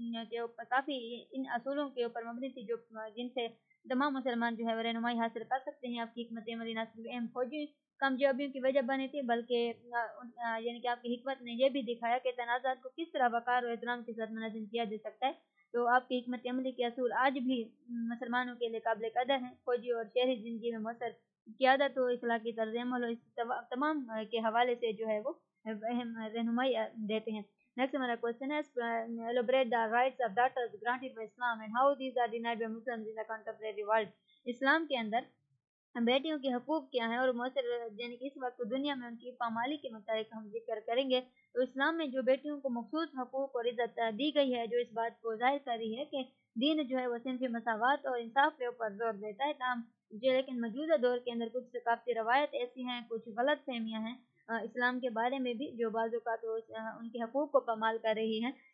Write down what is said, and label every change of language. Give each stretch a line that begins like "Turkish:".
Urdu: کے اوپر کافی ان اصولوں کے اوپر مبنی تھی جو جن سے تمام مسلمان جو ہے وہ رہنمائی حاصل کر سکتے ہیں. آپ کی حکمت عملی نہ صرف اہم فوجی کامیابیوں کی وجہ بنی تھی بلکہ یعنی کہ آپ کی حکمت نے یہ بھی دکھایا کہ تنازعات کو کس طرح وقار اور احترام کے ساتھ منظم کیا جا سکتا ہے. تو آپ کی حکمت عملی کے اصول آج بھی مسلمانوں کے لیے قابل قدر ہیں. فوجی اور شہری زندگی میں مؤثر قیادت و اخلاقی طرز عمل اس تمام کے حوالے سے جو ہے وہ اہم رہنمائی دیتے ہیں.
English: Next ہمارا question is, elaborate the rights of daughters granted by Islam and how these are denied by Muslims in the contemporary world.
Urdu: اسلام کے اندر بیٹیوں کے حقوق کیا ہیں اور مؤثر یعنی کہ اس وقت دنیا میں ان کی پامالی کے مطابق ہم ذکر کریں گے. تو اسلام میں جو بیٹیوں کو مخصوص حقوق اور عزت دی گئی ہے جو اس بات کو ظاہر کر رہی ہے کہ دین جو ہے وہ صنفی مساوات اور انصاف کے اوپر زور دیتا ہے, تاہم جو لیکن موجودہ دور کے اندر کچھ ثقافتی روایت ایسی ہیں, کچھ غلط فہمیاں ہیں اسلام کے بارے میں بھی جو بعض اوقات ان کے حقوق کو پامال کر رہی ہیں.